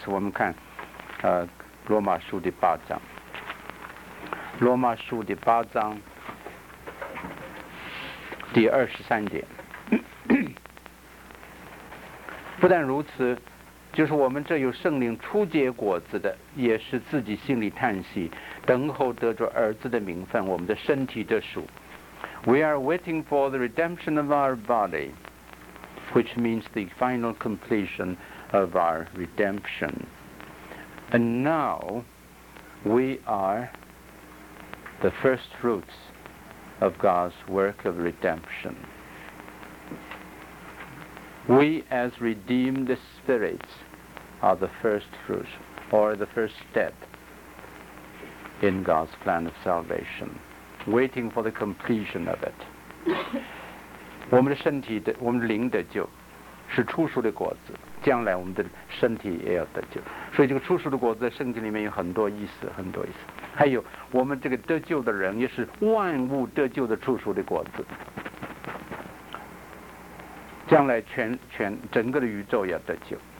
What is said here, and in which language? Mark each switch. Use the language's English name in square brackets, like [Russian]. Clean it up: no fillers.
[Chinese] 我们看罗马书第八章，罗马书第八章第23节。不但如此，就是我们这有圣灵初结果子的，也是自己心里叹息，等候得着儿子的名分，我们的身体的属。 [English] We are waiting for the redemption of our body, which means the final completion of our redemption. And now we are the first fruits of God's work of redemption. We as redeemed spirits are the first fruit or the first step in God's plan of salvation, waiting for the completion of it. [Chinese] 我们的身体的，我们灵的救是初熟的果子，将来我们的身体也要得救。所以这个初熟的果子在圣经里面有很多意思，很多意思。还有我们这个得救的人也是万物得救的初熟的果子，将来全整个的宇宙要得救。